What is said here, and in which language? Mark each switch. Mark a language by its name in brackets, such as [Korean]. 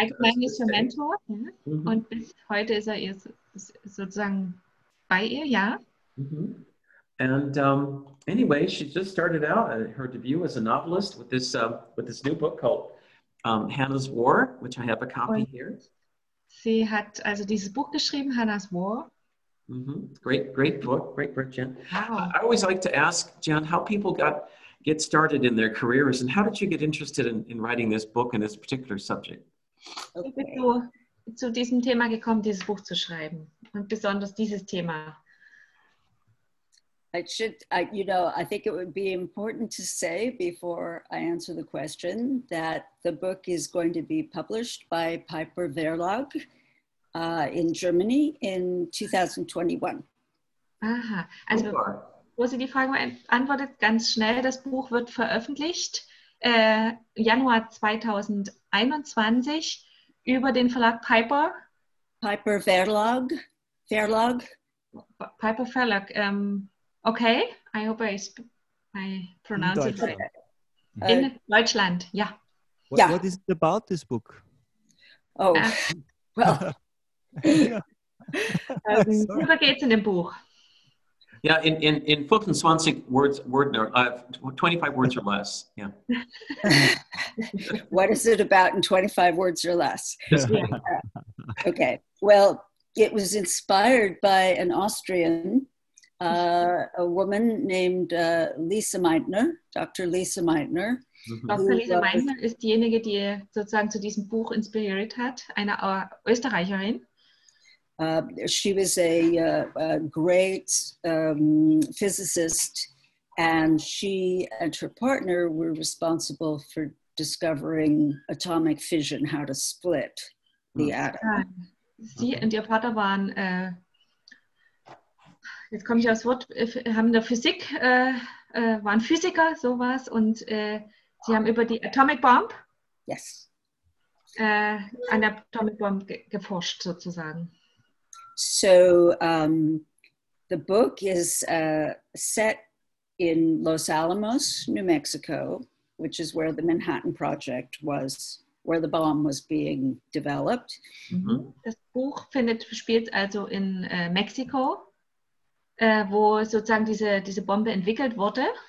[German] Und bis heute ist er ihr sozusagen bei ihr, ja. [English] And she just started out her debut as a novelist with this new book called Hannah's War, which I have a copy here. [German] Sie hat also dieses Buch geschrieben, Hannah's War. [English] Mm-hmm. Great book, great book, Jan. Wow. I always like to ask, Jan, how people get started in their careers, and how did you get interested in writing this book and this particular subject? Okay. [German] Wie bist du zu diesem Thema gekommen, dieses Buch zu schreiben, und besonders dieses Thema? [English] I think it would be important to say before I answer the question that the book is going to be published by Piper Verlag in Germany in 2021. Aha. [German] Also, wo Sie die Frage antwortet, ganz schnell, das Buch wird veröffentlicht Januar 2021 über den Verlag Piper. Piper Verlag. Verlag. [English] Piper Verlag. Okay, I hope I pronounce it right. [German] In Deutschland, yeah. [English] What is it about, this book? Oh, well. [German] Worüber geht's in dem Buch? [English] Yeah, in 25 words, 25 words or less. Yeah. What is it about in 25 words or less? Yeah. Okay. Well, it was inspired by an Austrian, a woman named Lisa Meitner, Dr. Lisa Meitner. Mm-hmm. Dr. [German] Lisa Meitner ist diejenige, die sozusagen zu diesem Buch inspiriert hat, eine Österreicherin. [English] She was a great physicist, and she and her partner were responsible for discovering atomic fission, how to split the atom. [German] Sie und ihr Vater waren, jetzt komme ich aufs Wort, haben in der Physik, waren Physiker, sowas, und sie haben über die Atomic Bomb, [English] yes, [German] an der Atomic Bomb geforscht, sozusagen. [English] So the book is set in Los Alamos, New Mexico, which is where the Manhattan Project was, where the bomb was being developed. Mm-hmm. [German] Das Buch spielt also in Mexiko, wo sozusagen diese Bombe entwickelt wurde.